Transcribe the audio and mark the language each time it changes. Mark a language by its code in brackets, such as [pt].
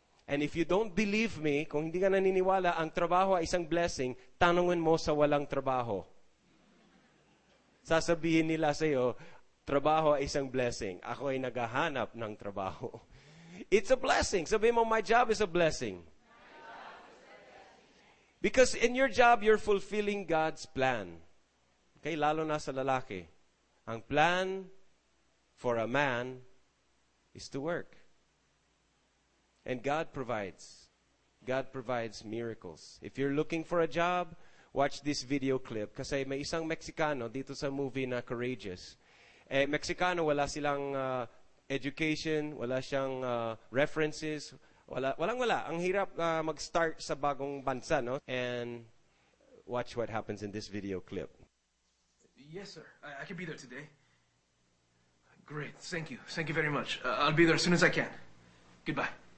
[en] And if you don't believe me, [tl] kung hindi ka naniniwala, ang trabaho ay isang blessing, tanungin mo sa walang trabaho. Sasabihin nila sa'yo, trabaho ay isang blessing. Ako ay naghahanap ng trabaho. [en] It's a blessing. [tl] Sabihin mo, [en] my job is a blessing. Because in your job, you're fulfilling God's plan. Okay, [tl] lalo na sa lalaki. Ang [en] plan for a man is to work. And God provides. God provides miracles. If you're looking for a job, watch this video clip [tl] kasi may isang Mexicano dito sa movie na Courageous. Eh, Mexicano, wala silang education, wala siyang references, walang-wala. Ang hirap mag-start sa bagong bansa, no? [en] And watch what happens in this video clip. Yes, sir. I can be there today. Great. Thank you. Thank you very much. I'll be there as soon as I can. Goodbye.